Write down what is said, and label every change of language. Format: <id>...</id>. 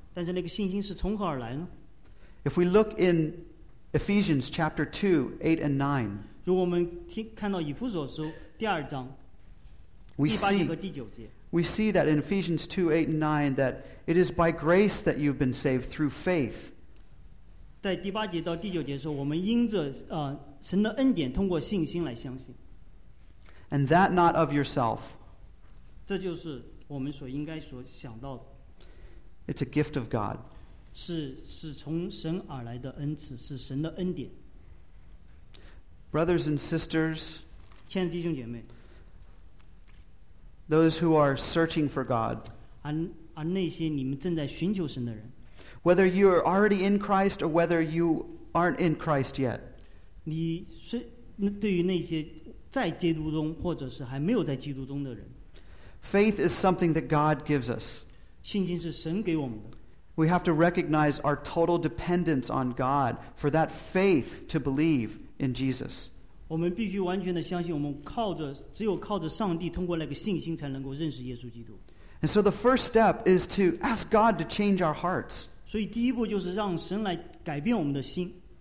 <zh>但是那个信心是从何而来呢？</zh> <en>If we look in Ephesians chapter 2, 8 and 9,</en> <zh>如果我们看到以弗所书第二章第八节和第九节</zh> <en>we see that in Ephesians 2, 8 and 9 that it is by grace that you've been saved through faith.</en> <zh>在第八节到第九节的时候，我们因着神的恩典通过信心来相信。</zh> <en>And that not of yourself.</en> <zh>这就是我们所应该所想到的。</zh> <en>It's a gift of God.</en> <zh>是从神而来的恩赐，是神的恩典。</zh> <en>Brothers and sisters,</en> <zh>亲爱的弟兄姐妹,</zh> <en>those who are searching for God,</en> <zh>而那些你们正在寻求神的人,</zh> <en>whether you are already in Christ or whether you aren't in Christ yet,</en> <zh>你是对于那些在基督中或者是还没有在基督中的人,</zh> <en>faith is something that God gives us.</en> <zh>信心是神给我们的。</zh> <en>We have to recognize our total dependence on God for that faith to believe. In Jesus.</en> <zh>我们必须完全地相信我们靠着只有靠着上帝通过那个信心才能够认识耶稣基督。</zh> <en>And so the first step is to ask God to change our hearts.</en> <zh>所以第一步就是让神来改变我们的心。</zh>